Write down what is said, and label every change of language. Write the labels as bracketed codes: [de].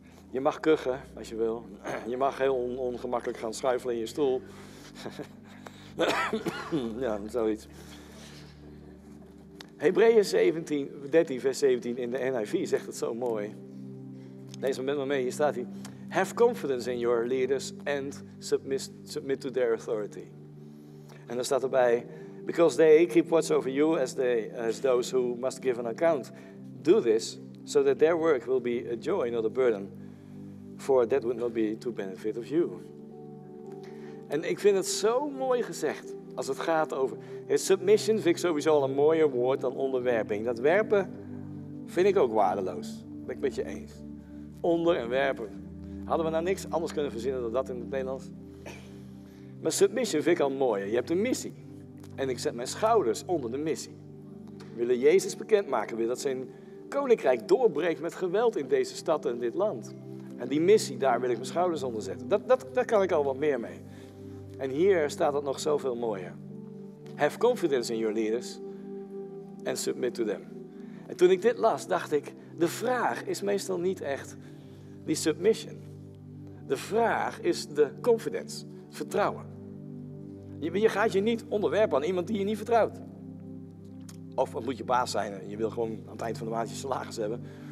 [nl] Je mag kuchen als je wil. Je mag heel ongemakkelijk gaan schuifelen in je stoel. Ja, zoiets. Hebreeën 13, vers 17 in de NIV zegt het zo mooi. Lees maar met me mee, hier staat hij. [en] Have confidence in your leaders and submit to their authority. [nl] En dan staat erbij, [en] because they keep watch over you as those who must give an account. Do this so that their work will be a joy, not a burden. For that would not be to benefit of you. [nl] En ik vind het zo mooi gezegd als het gaat over... Submission vind ik sowieso al een mooier woord dan onderwerping. Dat werpen vind ik ook waardeloos. Dat ben ik met je eens. Onder en werpen. Hadden we nou niks anders kunnen verzinnen dan dat in het Nederlands? Maar submission vind ik al mooier. Je hebt een missie. En ik zet mijn schouders onder de missie. We willen Jezus bekendmaken. We willen dat zijn koninkrijk doorbreekt met geweld in deze stad en dit land. En die missie, daar wil ik mijn schouders onder zetten. Daar kan ik al wat meer mee. En hier staat het nog zoveel mooier. [en] Have confidence in your leaders and submit to them. [nl] En toen ik dit las, dacht ik, de vraag is meestal niet echt die submission. De vraag is de confidence, vertrouwen. Je gaat je niet onderwerpen aan iemand die je niet vertrouwt. Of het moet je baas zijn en je wil gewoon aan het eind van de maand je salaris hebben.